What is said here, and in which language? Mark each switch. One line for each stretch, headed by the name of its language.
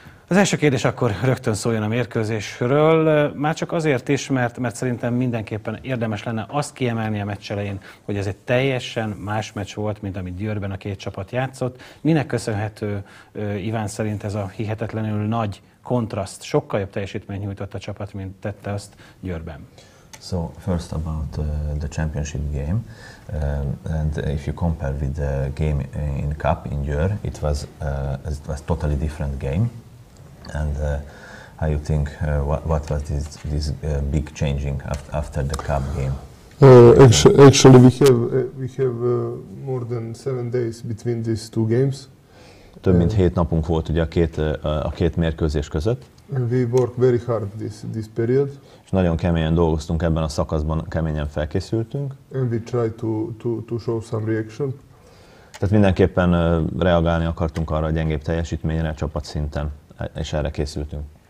Hungarian: Az első kérdés akkor rögtön szóljon a mérkőzésről, már csak azért is, mert szerintem mindenképpen érdemes lenne azt kiemelni a meccs elején, hogy ez egy teljesen más meccs volt, mint amit Győrben a két csapat játszott. Minek köszönhető, Iván, szerint ez a hihetetlenül nagy contrast. Sokkal jobb teljesítményt nyújtott a csapat, mint tette azt Győrben.
English: So first about the championship game, and if you compare with the game in cup in Győr, it was totally different game. And how you think what was this big changing after the cup game? Actually, we have more than 7 days between these two games.
Hungarian: Több mint 7 napunk volt ugye a két mérkőzés között.
English: We worked very hard this period.
Hungarian: És nagyon keményen dolgoztunk ebben a szakaszban, keményen felkészültünk.
English: And we tried to show some reaction.
Hungarian: Tehát mindenképpen reagálni akartunk arra a gyengébb teljesítményre csapat szinten, és erre készültünk.